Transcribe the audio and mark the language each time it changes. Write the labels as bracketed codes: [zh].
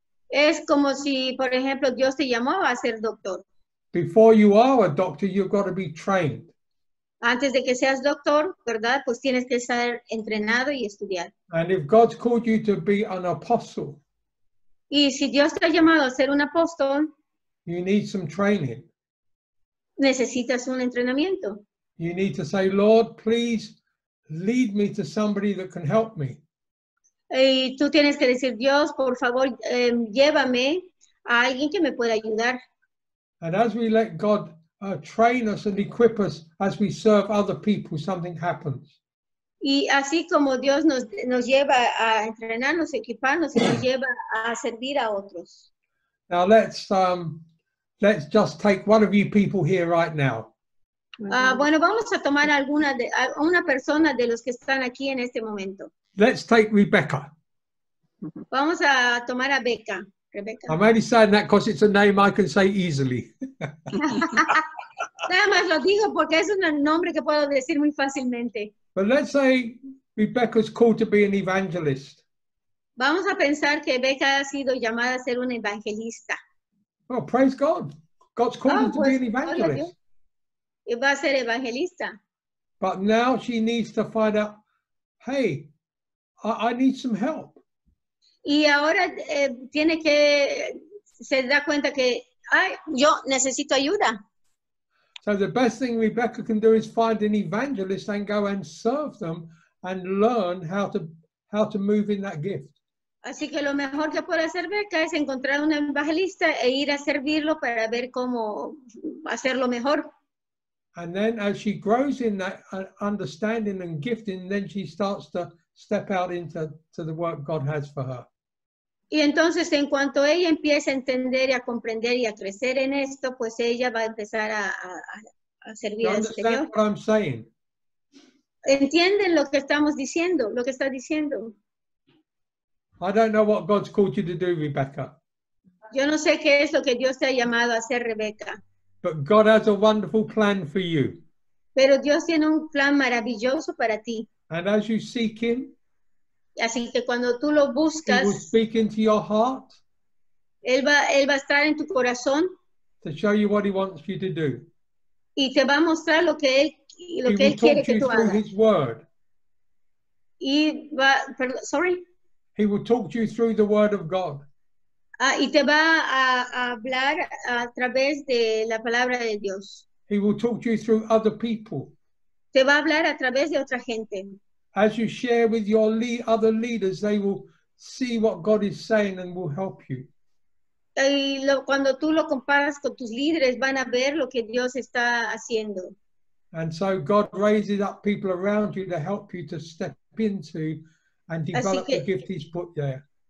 [es] Es como si, por ejemplo, Dios te llamó a ser doctor. [en] Before you are a doctor, you've got to be trained. [es] Antes de que seas doctor, ¿verdad? Pues tienes que estar entrenado y estudiar. [en] And if God's called you to be an apostle. [es] Y si Dios te ha llamado a ser un apóstol. [en] You need some training. [es] Necesitas un entrenamiento. [en] You need to say, Lord, please lead me to somebody that can help me. [es] Y tú tienes que decir, Dios, por favor, llévame a alguien que me pueda ayudar. [en] And as we let God train us and equip us as we serve other people, something happens. [es] Y así como Dios nos lleva a entrenarnos, equiparnos, y nos lleva a servir a otros. [en] Now let's just take one of you people here right now. [es] Bueno, vamos a tomar una persona de los que están aquí en este momento. [en] Let's take Rebecca. [es] Vamos a tomar a Becca. Rebecca. [en] I'm only saying that because it's a name I can say easily. [es] Nada más lo digo porque es un nombre que puedo decir muy fácilmente. [en] But let's say Rebecca's called to be an evangelist. [es] Vamos a pensar que Becca ha sido llamada a ser una evangelista. [en] Oh, praise God. God's called her to be an evangelist. [es] Y va a ser evangelista. [en] But now she needs to find out, hey, I need some help. [es] Y ahora tiene que se da cuenta que, ay, yo necesito ayuda. [en] So the best thing Rebecca can do is find an evangelist and go and serve them and learn how to move in that gift. [es] Así que lo mejor que puede hacer Becca es encontrar un evangelista e ir a servirlo para ver cómo hacerlo mejor. [en] And then as she grows in that understanding and gifting, then she starts to step out into the work God has for her. [es] Y entonces, en cuanto ella empiece a entender y a comprender y a crecer en esto, pues ella va a empezar a servir al Señor. [en] Do you understand what I'm saying? [es] ¿Entienden lo que estamos diciendo, lo que está diciendo? [en] I don't know what God's called you to do, Rebecca. [es] Yo no sé qué es lo que Dios te ha llamado a hacer, Rebecca. [en] But God has a wonderful plan for you. [es] Pero Dios tiene un plan maravilloso para ti. [en] And as you seek Him, [es] así que cuando tú lo buscas, [en] He will speak into your heart. [es] Él va a estar en tu corazón. [en] To show you what He wants you to do. [es] Y te va a mostrar lo que él quiere que tú hagas. [en] He will talk to you through His word. He will talk to you through the word of God. [es] Y te va a hablar a través de la palabra de Dios. [en] He will talk to you through other people. [es] Te va a hablar a través de otra gente. [en] As you share with your other leaders, they will see what God is saying and will help you. [es] Cuando tú lo comparas con tus líderes, van a ver lo que Dios está haciendo. [en] And so God raises up people around you to help you to step into and develop the gift He's put there.